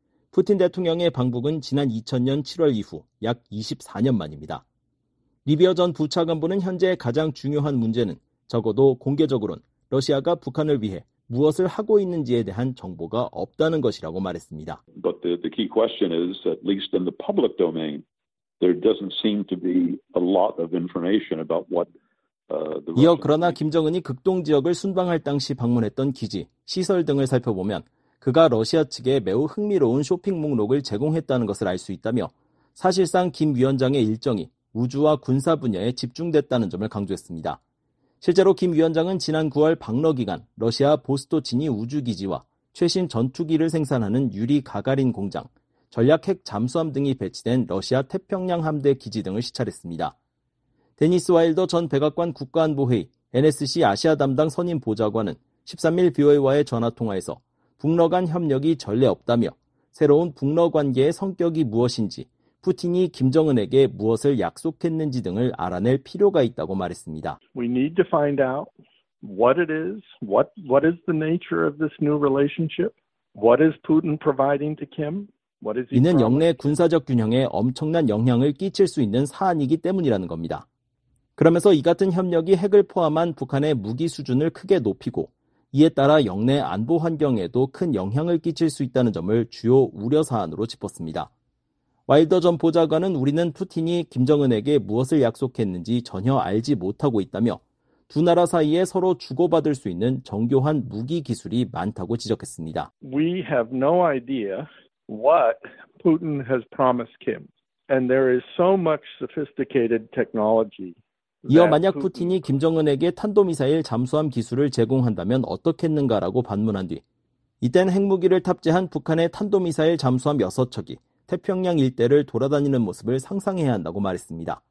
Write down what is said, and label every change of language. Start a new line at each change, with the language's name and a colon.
Korean: 푸틴 대통령의 방북은 지난 2000년 7월 이후 약 24년 만입니다. 리비어 전 부차관보는 현재 가장 중요한 문제는 적어도 공개적으로는 러시아가 북한을 위해 무엇을 하고 있는지에 대한 정보가 없다는 것이라고 말했습니다.
English: But the key question is, at least in the public domain, there doesn't seem to be a lot of information about what
Korean: 이어 그러나 김정은이 극동 지역을 순방할 당시 방문했던 기지, 시설 등을 살펴보면 그가 러시아 측에 매우 흥미로운 쇼핑 목록을 제공했다는 것을 알 수 있다며 사실상 김 위원장의 일정이 우주와 군사 분야에 집중됐다는 점을 강조했습니다. 실제로 김 위원장은 지난 9월 방러 기간 러시아 보스토치니 우주기지와 최신 전투기를 생산하는 유리 가가린 공장, 전략 핵 잠수함 등이 배치된 러시아 태평양 함대 기지 등을 시찰했습니다. 데니스 와일더 전 백악관 국가안보회의 NSC 아시아 담당 선임 보좌관은 13일 BOA와의 전화통화에서 북러 간 협력이 전례 없다며 새로운 북러 관계의 성격이 무엇인지 푸틴이 김정은에게 무엇을 약속했는지 등을 알아낼 필요가 있다고 말했습니다.
English: We need to find out what it is, what is the nature of this new relationship? What is Putin providing to Kim?
Korean: 이는 영내 군사적 균형에 엄청난 영향을 끼칠 수 있는 사안이기 때문이라는 겁니다. 그러면서 이 같은 협력이 핵을 포함한 북한의 무기 수준을 크게 높이고 이에 따라 영내 안보 환경에도 큰 영향을 끼칠 수 있다는 점을 주요 우려 사안으로 짚었습니다. 와일더 전 보좌관은 우리는 푸틴이 김정은에게 무엇을 약속했는지 전혀 알지 못하고 있다며 두 나라 사이에 서로 주고받을 수 있는 정교한 무기 기술이 많다고 지적했습니다.
English: We have no idea what Putin has promised Kim. And there is so much sophisticated technology.
Korean: 이어 만약 푸틴이 김정은에게 탄도미사일 잠수함 기술을 제공한다면 어떻겠는가라고 반문한 뒤 이땐 핵무기를 탑재한 북한의 탄도미사일 잠수함 6척이 태평양 일대를 돌아다니는 모습을 상상해야 한다고 말했습니다.